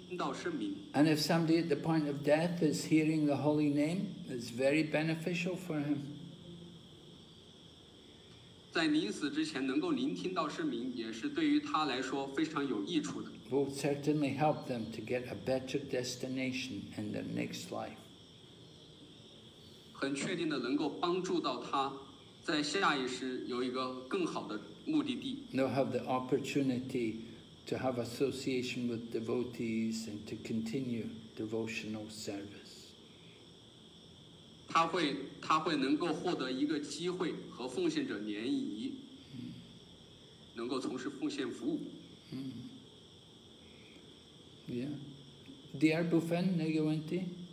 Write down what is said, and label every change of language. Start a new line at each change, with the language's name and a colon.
English: And if somebody at the point of death is hearing the holy name, it's very beneficial for him.
Chinese: 在临死之前能够聆听到圣名，也是对于他来说非常有益处的。
English: Will certainly help them to get a better destination in their next life.
Chinese: 很确定的能够帮助到他在下一世有一个更好的目的地。
English: They'll have the opportunity. To have association with devotees and to continue devotional service.
Chinese: 他会能够获得一个机会和奉献者联谊，能够从事奉献服务。
English: Yeah. Dear Bhupen, Nagavanti.